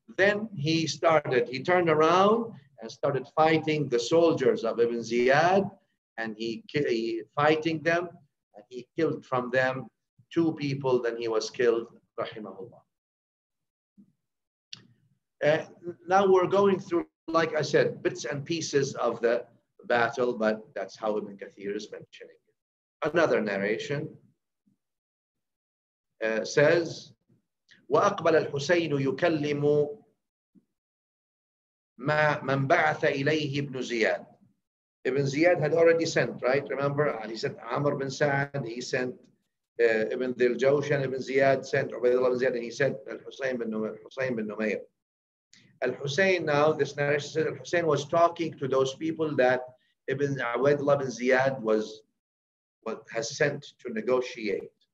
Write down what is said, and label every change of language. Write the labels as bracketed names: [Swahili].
[English] Then he turned around and started fighting the soldiers of Ibn Ziyad, and he fighting them, and he killed from them two people, then he was killed, rahimahullah. Now we're going through, like I said, bits and pieces of the battle, but that's how Ibn Kathir is mentioning it. Another narration says, [Arabic] وَأَقْبَلَ الْحُسَيْنُ يُكَلِّمُ مَا مَنْ بَعَثَ إِلَيْهِ ابْنُ زِيَادِ. [English] Ibn Ziyad had already sent, right? Remember, and he sent Amr bin Sa'd, he sent Ibn Dil Jawshan, Ibn Ziyad sent Ubaidullah bin Ziyad, and he sent Al-Hussein bin Numair. Al-Hussein now, this narration says, Al-Hussein was talking to those people that Ibn Ubaidullah bin Ziyad has sent to negotiate.